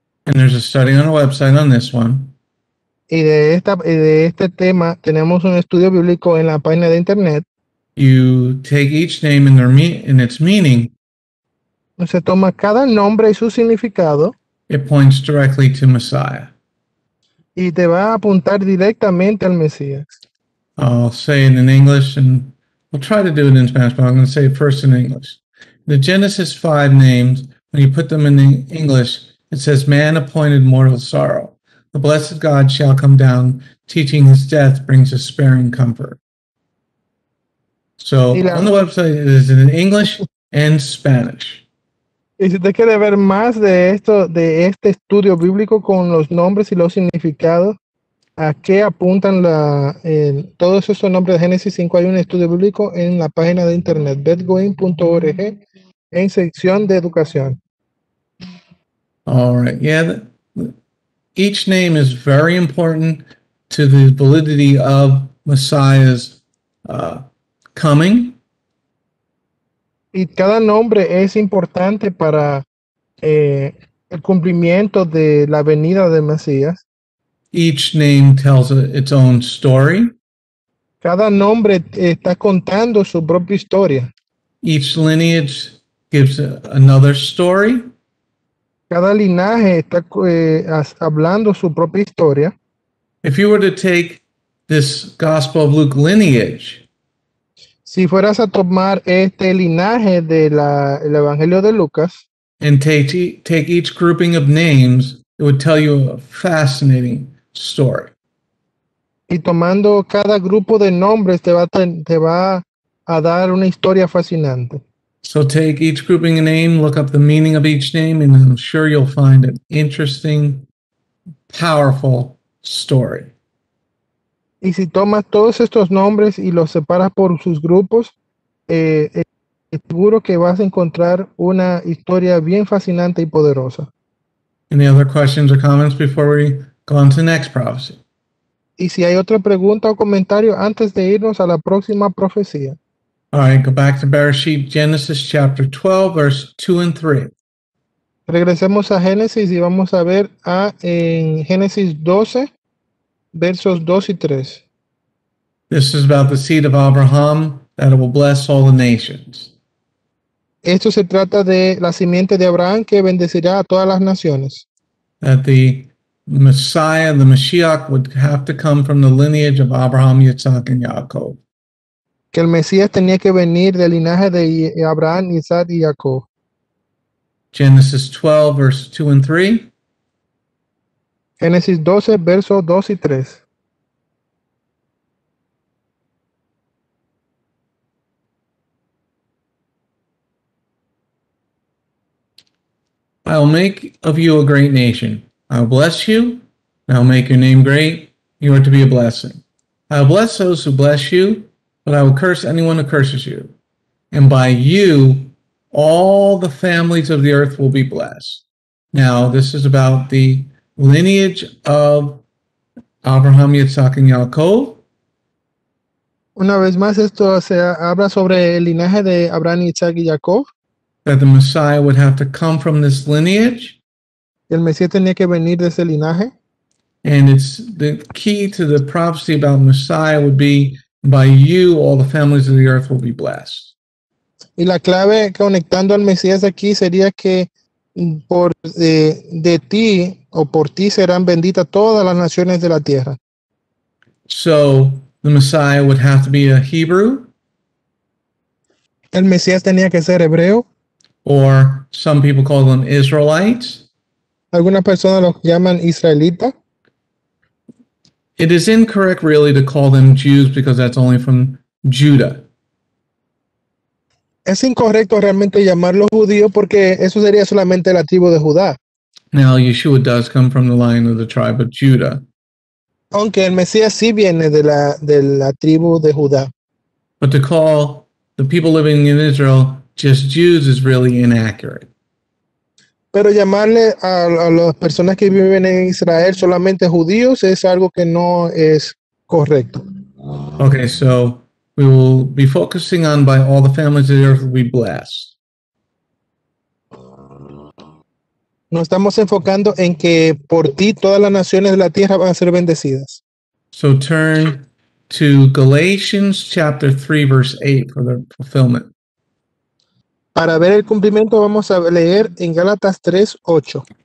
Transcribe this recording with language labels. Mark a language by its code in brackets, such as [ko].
[en] And there's a study on a website on this one. [es] Y de este tema tenemos un estudio bíblico en la página de internet. [en] You take each name in its meaning. [es] Se toma cada nombre y su significado. [en] It points directly to Messiah. [es] Y te va a apuntar directamente al Mesías. [en] I'll say it in English, and we'll try to do it in Spanish, but I'm going to say it first in English. The Genesis 5 names, when you put them in English, it says, man appointed mortal sorrow. The blessed God shall come down, teaching his death brings a sparing comfort. So on the website it is in English and Spanish. [es] Y si te quieres ver más de esto, de este estudio bíblico con los nombres y los significados, a qué apuntan todos esos nombres de Génesis 5, hay un estudio bíblico en la página de internet, bethgoim.org, en sección de educación. [en] All right, yeah. Each name is very important to the validity of Messiah's coming. [es] Y cada nombre es importante para el cumplimiento de la venida de Mesías. [en] Each name tells its own story. [es] Cada nombre está contando su propia historia. [en] Each lineage gives another story. [es] Cada linaje está hablando su propia historia. [en] If you were to take this Gospel of Luke lineage, [es] si fueras a tomar este linaje del Evangelio de Lucas, [en] and take each grouping of names, it would tell you a fascinating story. [es] Y tomando cada grupo de nombres te va a dar una historia fascinante. [en] So take each grouping of name, look up the meaning of each name, and I'm sure you'll find an interesting, powerful story. [es] Y si tomas todos estos nombres y los separas por sus grupos, seguro que vas a encontrar una historia bien fascinante y poderosa. [en] Any other questions or comments before we go on to the next prophecy? [es] Y si hay otra pregunta o comentario antes de irnos a la próxima profecía. [en] All right, go back to Bereshit, Genesis chapter 12, verse 2 and 3. [es] Regresemos a Génesis y vamos a ver en Génesis 12, versos 2 y 3. [en] This is about the seed of Abraham that it will bless all the nations. [es] Esto se trata de la simiente de Abraham que bendecirá a todas las naciones. [en] That the Messiah, the Mashiach, would have to come from the lineage of Abraham, Yitzhak, and Yaakov. [es] Que el Mesías tenía que venir del linaje de Abraham, Isaac y Jacob. [en] Genesis 12, verse 2 and 3. [es] Génesis 12, verso 2 y 3. [en] I will make of you a great nation. I will bless you. I will make your name great. You are to be a blessing. I will bless those who bless you, but I will curse anyone who curses you. And by you, all the families of the earth will be blessed. Now, this is about the lineage of Abraham, Yitzhak, and Yaakov. [es] Una vez más, esto se habla sobre el linaje de Abraham, Yitzhak, y Jacob. [en] That the Messiah would have to come from this lineage. [es] El Mesías tenía que venir de ese linaje. [en] And it's the key to the prophecy about Messiah would be, by you, all the families of the earth will be blessed. [es] Y la clave conectando al Mesías aquí sería que por de ti o por ti serán benditas todas las naciones de la tierra. [en] So the Messiah would have to be a Hebrew. [es] El Mesías tenía que ser hebreo. [en] Or some people call them Israelites. [es] Algunas personas los llaman israelita. [en] It is incorrect, really, to call them Jews because that's only from Judah. [es] Es incorrecto realmente llamarlos judíos porque eso sería solamente la tribu de Judá. [en] Now, Yeshua does come from the line of the tribe of Judah. [es] Aunque el Mesías sí viene de la tribu de Judá. [en] But to call the people living in Israel just Jews is really inaccurate. [es] Pero llamarle a las personas que viven en Israel solamente judíos es algo que no es correcto. [en] Okay, so we will be focusing on by all the families of the earth will be blessed. [es] Nos estamos enfocando en que por ti todas las naciones de la tierra van a ser bendecidas. [en] So turn to Galatians chapter 3 verse 8 for the fulfillment. [es] Para ver el cumplimiento vamos a leer en Gálatas 3, 8.